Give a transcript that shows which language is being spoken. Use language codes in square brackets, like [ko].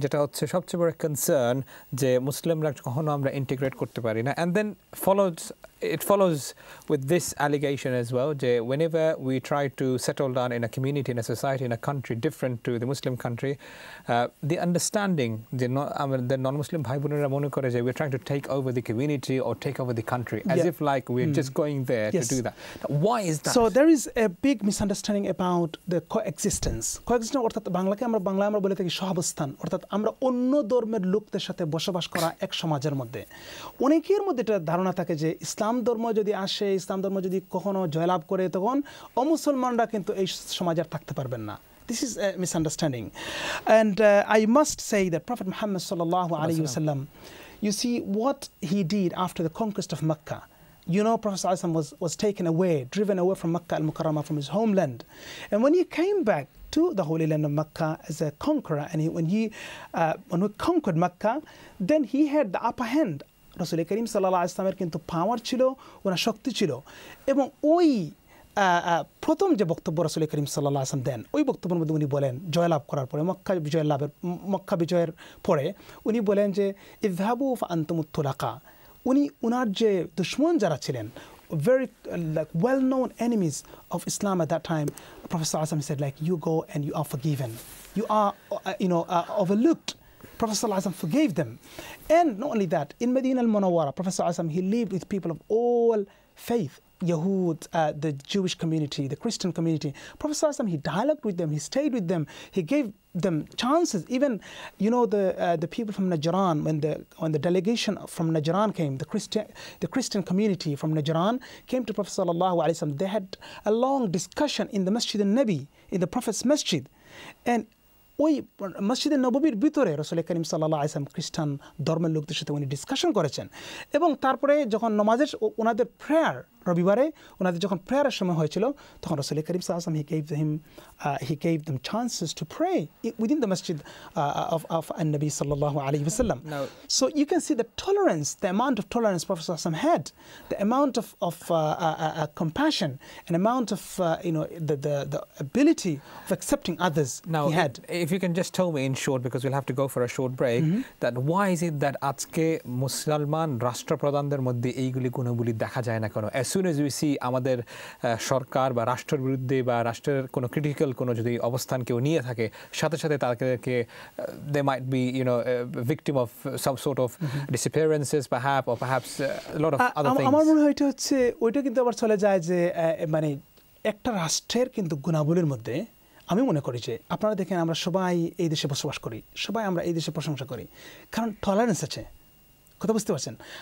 [bn] যেটা হচ্ছে সবচেয়ে বড় concern যে মুসলিমরা কখনো আমরা integrate করতে পারি না. [en] And then it follows with this allegation as well, that whenever we try to settle down in a community, in a society, in a country different to the Muslim country, the understanding, the non-Muslim [bn] bhai-bunera mone kore, [en] we're trying to take over the community or take over the country, as if like we're just going there to do that. Why is that? So there is a big misunderstanding about the coexistence. [bn] Coexistence, ortat bangla ke amra bangla amra bole thaki shohabosthan, ortat amra onno dhormer lokder sathe boshobash kora ek samajer moddhe. Oneker moddhe eta dharona thake je ইসলাম ধর্ম যদি আসে, ইসলাম ধর্ম যদি কখনো জয়লাভ করে, তখন অমুসলমানরা কিন্তু এই সমাজে আর থাকতে পারবেন না. [en] This is a misunderstanding. And I must say that Prophet Muhammad sallallahu alaihi wasallam, you see what he did after the conquest of Mecca. You know, Prophet sallallahu alaihi wasallam was taken away, driven away from Mecca al-Mukarrama, from his homeland. And when he came back to the Holy Land of Mecca as a conqueror, and when we conquered Mecca, then he had the upper hand. [bn] রাসুল করিম সাল্লাল্লাহু আলাইহি সাল্লামের কিন্তু পাওয়ার ছিল, ওনার শক্তি ছিল. এবং ওই প্রথম যে বক্তব্য রাসুল করিম সাল্লাল্লাহু আলাইহি সাল্লাম দেন, ওই বক্তব্যের মধ্যে উনি বলেন, জয়লাভ করার পরে, মক্কা বিজয়ের পরে উনি বলেন যে [ar] ইযহাবু ফা আনতুমুত তুলাকা. [bn] উনি ওনার যে দুশমন যারা ছিলেন, [en] very like well known enemies of Islam at that time, Prophet sallallahu alaihi wasallam said like, you go and you are forgiven, you are overlooked. Prophet sallallahu alaihi wasallam forgave them. And not only that, in Medina al-Munawwara, Prophet sallallahu alaihi wasallam, he lived with people of all faith, Yahud, the Jewish community, the Christian community. Prophet sallallahu alaihi wasallam, he dialogued with them, he stayed with them, he gave them chances. Even, you know, the people from Najran, when the delegation from Najran came, the Christian community from Najran came to Prophet sallallahu alaihi wasallam, they had a long discussion in the Masjid al-Nabi, in the Prophet's Masjid. [bn] And ওই মসজিদের নববীর ভিতরে রসুল করিম সাল্লাল্লাহু আলাইহি ওয়াসাল্লাম খ্রিস্টান ধর্মের লোকদের সাথে উনি ডিসকাশন করেছেন. এবং তারপরে যখন নমাজের ওনাদের প্রেয়ার রবিবারে ওনাদের যখন প্রেয়ারের সময় হয়েছিল, তখন রসুল করিম সাল্লাল্লাহু আলাইহি ওয়াসাল্লাম [en] he gave them chances to pray within the Masjid of an-Nabi [bn] সাল্লাল্লাহু আলাইহি ওয়াসাল্লাম. [en] So you can see the tolerance, the amount of tolerance professor Asam had, the amount of compassion, an amount of the ability of accepting others he had. If you can just tell me in short, because we'll have to go for a short break, that why is it that [bn] আজকে মুসলমান রাষ্ট্রপ্রধানদের মধ্যে এইগুলি গুণগুলি দেখা যায় না কেন? [en] As soon as we see [bn] আমাদের সরকার বা রাষ্ট্রের বিরুদ্ধে বা রাষ্ট্রের কোনো ক্রিটিক্যাল কোনো যদি অবস্থান কেউ নিয়ে থাকে, সাথে সাথে তাদেরকে [en] They might be victim of some sort of disappearances perhaps or perhaps lot of other things. [bn] আমার মনে হয় এটা হচ্ছে, ওইটা কিন্তু আবার চলে যায় যে মানে একটা রাষ্ট্রের কিন্তু গুণাবলীর মধ্যে আমি মনে করি যে আপনারা দেখেন, আমরা সবাই এই দেশে বসবাস করি, সবাই আমরা এই দেশে প্রশংসা করি, কারণ টলারেন্স আছে. কথা বুঝতে পারছেন?